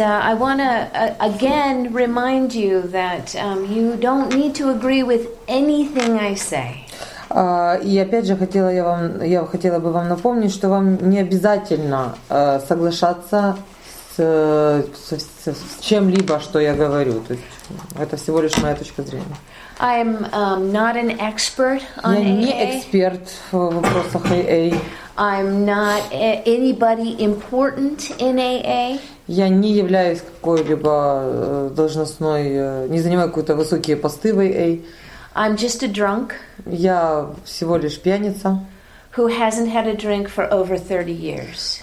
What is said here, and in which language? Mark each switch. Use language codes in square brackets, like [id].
[en] I want to again remind you that you don't need to agree with anything I say. [ru] И опять же хотела бы вам напомнить, что вам не обязательно соглашаться с чем-либо, что я говорю. То есть это всего лишь моя точка зрения. [en] I'm not an expert on AA. [ru] Я не эксперт в вопросах AA. [en] I'm not anybody important in AA. [ru] Я не являюсь какой-либо должностной, не занимаю какие-то высокие посты в AA. [en] I'm just a drunk. [ru] Я всего лишь пьяница. [en] Who hasn't had a drink for over 30 years.